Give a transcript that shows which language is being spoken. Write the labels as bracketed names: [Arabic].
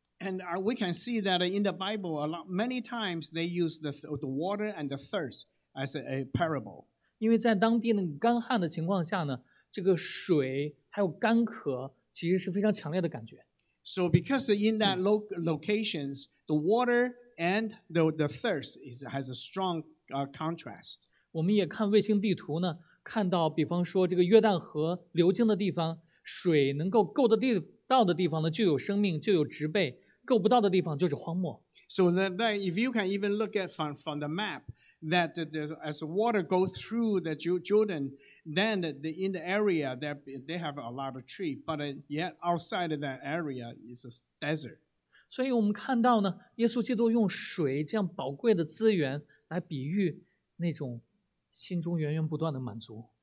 [English] And we can see that in the Bible, many times they use the water and the thirst as a parable. [Chinese] 因为在当地那个干旱的情况下呢，这个水还有干渴其实是非常强烈的感觉。 [English] So because in that locations, the water and the thirst has a strong contrast. [Chinese] 我们也看卫星地图呢，看到比方说这个约旦河流经的地方，水能够够得到的地方呢，就有生命，就有植被，够不到的地方就是荒漠。 [English] So that if you can even look at from the map,that the, as the water goes through the Jordan, then in the area that they have a lot of tree, but yet outside of that area is a desert. [Chinese] 所以我们看到呢，耶稣基督用水这样宝贵的资源来比喻那种心中源源不断的满足。